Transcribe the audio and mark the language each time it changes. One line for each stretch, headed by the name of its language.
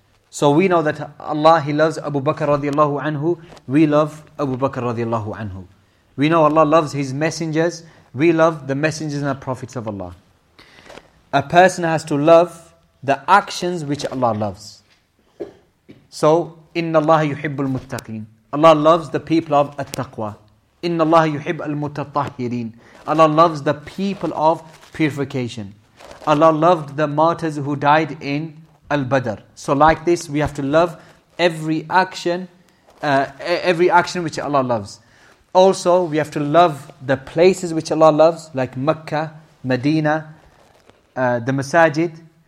English: So we know that Allah, He loves Abu Bakr radiallahu anhu. We love Abu Bakr radiallahu anhu. We know Allah loves His messengers. We love the messengers and the prophets of Allah. A person has to love the actions which Allah loves.
Arabic: So, إِنَّ اللَّهَ يُحِبُّ الْمُتَّقِينَ.
English: Allah loves the people of At-Taqwa.
Arabic: إِنَّ اللَّهَ يُحِبُّ الْمُتَطَّهِّرِينَ.
English: Allah loves the people of purification. Allah loved the martyrs who died in Al-Badr. So like this, we have to love every action which Allah loves. Also, we have to love the places which Allah loves, like Mecca, Medina, the Masajid.